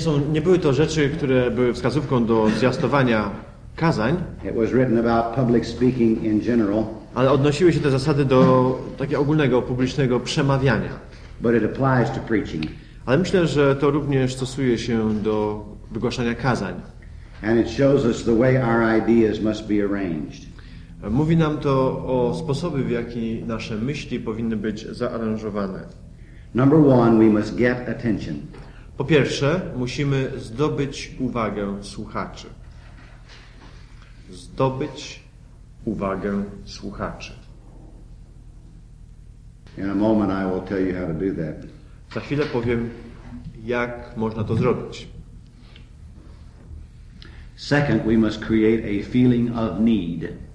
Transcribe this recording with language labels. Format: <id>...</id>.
<pl>Nie były to rzeczy, które były wskazówką do zwiastowania kazań.</pl> <en>It was written about public speaking in general.</en> <pl>Ale odnosiły się te zasady do takiego ogólnego, publicznego przemawiania.</pl> <en>But it applies to preaching.</en> <pl>Ale myślę, że to również stosuje się do wygłaszania kazań.</pl> <en>And it shows us the way our ideas must be arranged.</en> <pl>Mówi nam to o sposobie, w jaki nasze myśli powinny być zaaranżowane.</pl> <en>Number one, we must get attention.</en> <pl>Po pierwsze, musimy zdobyć uwagę słuchaczy. Zdobyć uwagę słuchaczy.</pl> <en>In a moment I will tell you how to do that.</en> <pl>Za chwilę powiem, jak można to zrobić.</pl> <en>Second, we must create a feeling of need.</en>